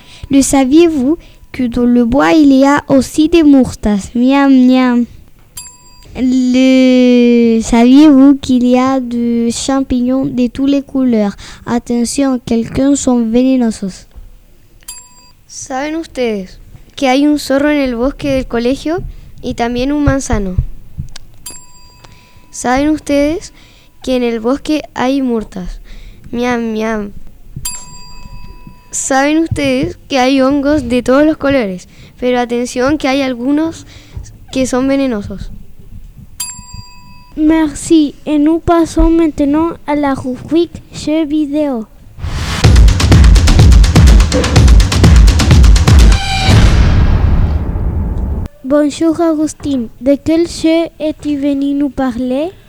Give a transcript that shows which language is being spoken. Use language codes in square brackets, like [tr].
[fr] Le saviez-vous ? Que dans le bois, il y a aussi des moustaches. Miam, miam. Le saviez-vous qu'il y a des champignons de toutes les couleurs? Attention, quelqu'un sont [es] venenosos. ¿Saben ustedes que hay un zorro en el bosque del colegio y también un manzano? ¿Saben ustedes que en el bosque hay moustaches? Miam, miam. ¿Saben ustedes que hay hongos de todos los colores? Pero atención que hay algunos que son venenosos. [fr] Merci. Et nous passons maintenant à la rubrique jeux vidéo. Bonjour Augustine. De quel jeu es-tu venu nous parler?